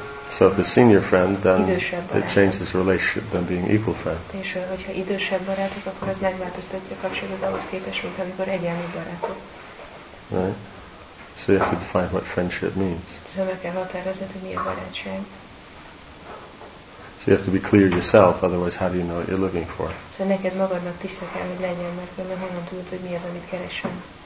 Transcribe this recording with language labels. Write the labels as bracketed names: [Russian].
[English] So if the senior friend, then it changes relationship than being equal friend. [Hungarian] És hogyha idősebb barátok, akkor az megváltoztatja kapcsolatot ahhoz képest, mint amikor egyenlő barátok. [English] Right. So you have to define what friendship means. [Hungarian] So meg kell határozni, hogy mi a barátság. [English] So you have to be clear yourself, otherwise how do you know what you're looking for? [Hungarian] So neked magadnak tiszta kell, hogy legyen, mert akkor honnan tudod, hogy mi az, amit keresem.